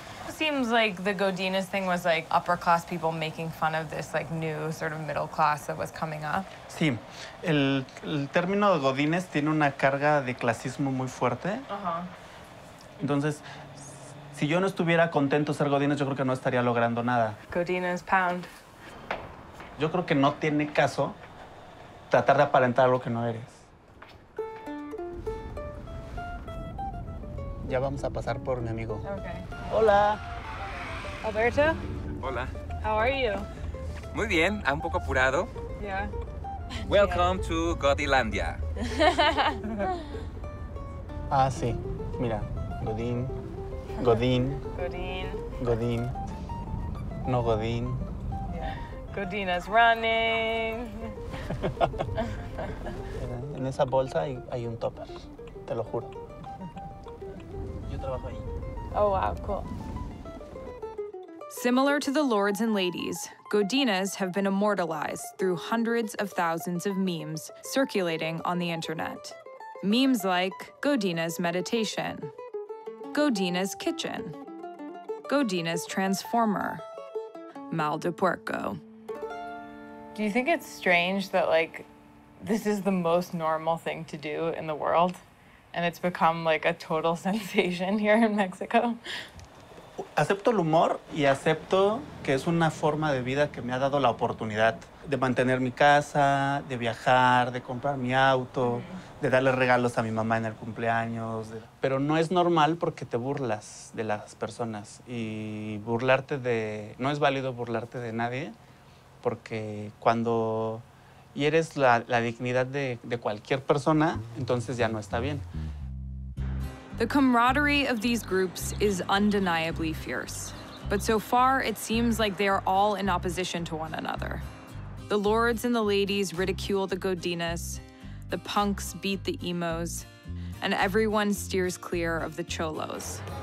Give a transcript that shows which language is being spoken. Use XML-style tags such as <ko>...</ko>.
<en>Seems like the Godinez thing was like upper class people making fun of this like new sort of middle class that was coming up.</en> <es>Sí, el término Godinez tiene una carga de clasismo muy fuerte.</es> <en>Uh-huh.</en> <es>Entonces, si yo no estuviera contento ser Godinez, yo creo que no estaría logrando nada.</es> <en>Godinez pound.</en> <es>Yo creo que no tiene caso tratar de aparentar algo que no eres. Ya vamos a pasar por mi amigo.</es> <en>Okay.</en> <es>Hola. Alberto. Hola.</es> <en>How are you?</en> <es>Muy bien, un poco apurado.</es> <en>Yeah. Welcome to Godilandia.</en> <es>Ah, sí. Mira, Godín. Godín. Godín. Godín. No Godín.</es> <en>Godina's running.</en> <es>En esa bolsa hay un topper, te lo juro. Yo trabajo ahí.</es> <en>Oh, wow, cool. Similar to the lords and ladies, Godinas have been immortalized through hundreds of thousands of memes circulating on the internet. Memes like Godina's meditation, Godina's kitchen, Godina's transformer, mal de puerco. Do you think it's strange that, like, this is the most normal thing to do in the world, and it's become, like, a total sensation here in Mexico?</en> <es>Acepto el humor y acepto que es una forma de vida que me ha dado la oportunidad de mantener mi casa, de viajar, de comprar mi auto, de darle regalos a mi mamá en el cumpleaños. Pero no es normal porque te burlas de las personas y burlarte de... No es válido burlarte de nadie porque cuando hieres la dignidad de cualquier persona, entonces ya no está bien.</es> <en>The camaraderie of these groups is undeniably fierce, but so far it seems like they are all in opposition to one another. The lords and the ladies ridicule the godinas, the punks beat the emos, and everyone steers clear of the cholos.</en>